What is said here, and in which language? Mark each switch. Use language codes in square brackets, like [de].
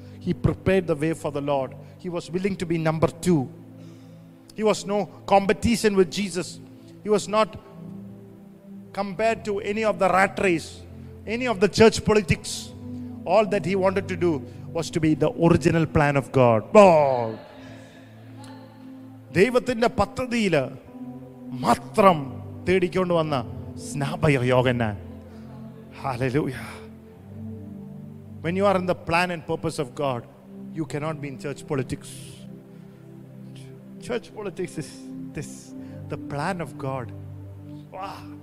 [en] He prepared the way for the Lord. He was willing to be number two. He was no competition with Jesus. He was not compared to any of the rat race, any of the church politics. All that he wanted to do was to be the original plan of God. Oh! [ml] ദൈവത്തിന്റെ പദ്ധതിയിൽ മാത്രം തേടിക്കൊണ്ട് വന്ന സ്നാപയ യോഗനാൻ. ഹല്ലേലൂയാ. [en] When you are in the plan and purpose of God, you cannot be in church politics. Church politics is this, the plan of God. Wow.